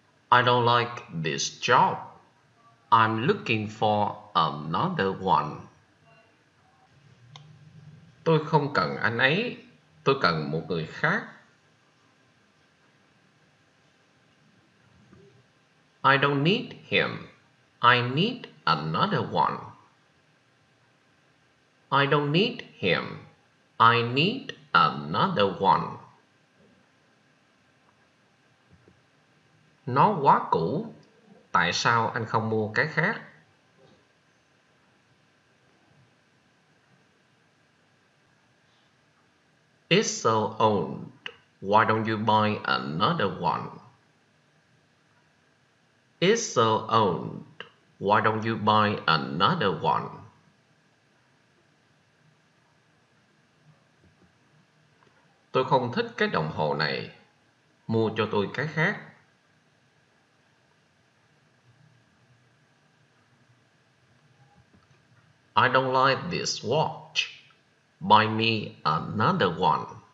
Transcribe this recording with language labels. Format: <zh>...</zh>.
<en>I don't like this job. I'm looking for another one.</en> <vi>Tôi không cần anh ấy, tôi cần một người khác.</vi> <en>I don't need him, I need another one. I don't need him, I need another one.</en> <vi>Nó quá cũ, tại sao anh không mua cái khác?</vi> <en>It's so old, why don't you buy another one? It's so old, why don't you buy another one?</en> <vi>Tôi không thích cái đồng hồ này, mua cho tôi cái khác.</vi> <en>I don't like this watch. Buy me another one.</en>